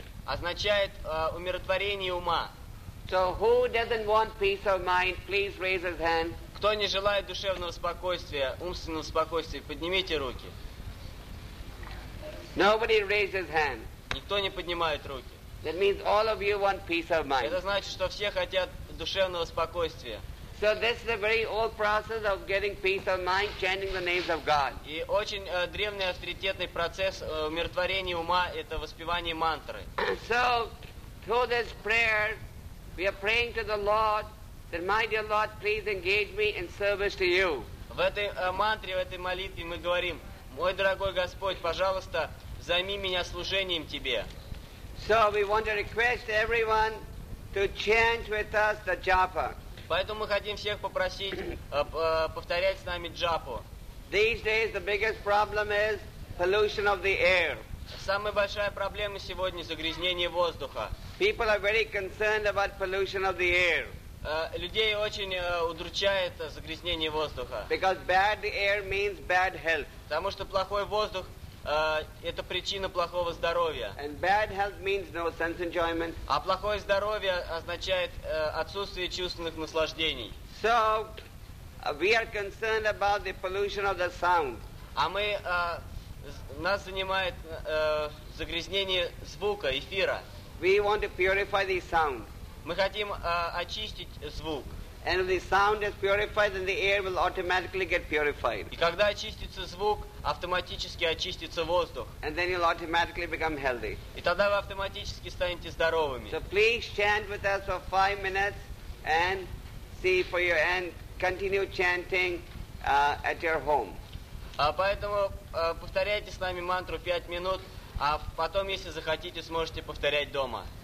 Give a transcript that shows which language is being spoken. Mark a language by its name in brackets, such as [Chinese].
[Russian] Означает умиротворение ума. [English] So who doesn't want peace of mind? Please raise his hand. [Russian] Кто не желает душевного спокойствия, умственного спокойствия, поднимите руки. [English] Nobody raises hand. [Russian] Никто не поднимает руки. [English] That means all of you want peace of mind. [Russian] Это значит, что все хотят душевного спокойствия. [English] So this is a very old process of getting peace of mind, chanting the names of God. [Russian] И очень древний авторитетный процесс умиротворения ума – это воспевание мантры. [English] So through this prayer, we are praying to the Lord that, my dear Lord, please engage me in service to you. [Russian] В этой мантре, в этой молитве мы говорим: «Мой дорогой Господь, пожалуйста, займи меня служением Тебе». [English] So we want to request everyone to chant with us the japa. [Russian] Поэтому мы хотим всех попросить повторять с нами джапу. [English] These days the biggest problem is pollution of the air. [Russian] Самая большая проблема сегодня — загрязнение воздуха. [English] People are very concerned about pollution of the air. [Russian] Людей очень удручает загрязнение воздуха. [English] Because bad air means bad health. [Russian] Потому что плохой воздух — это причина плохого здоровья. [English] And bad health means no sense enjoyment. [Russian] А плохое здоровье означает отсутствие чувственных наслаждений. [English] So, we are concerned about the pollution of the sound. [Russian] А мы, нас занимает загрязнение звука, эфира. [English] We want to purify the sound. [Russian] Мы хотим очистить звук. [English] And if the sound is purified, then the air will automatically get purified. [Russian] И когда очистится звук, автоматически очистится воздух. [English] And then you'll automatically become healthy. [Russian] И тогда вы автоматически станете здоровыми. [English] So please chant with us for 5 minutes and see for your end. Continue chanting at your home. [Russian] Поэтому повторяйте с нами мантру 5 минут, а потом, если захотите, сможете повторять дома.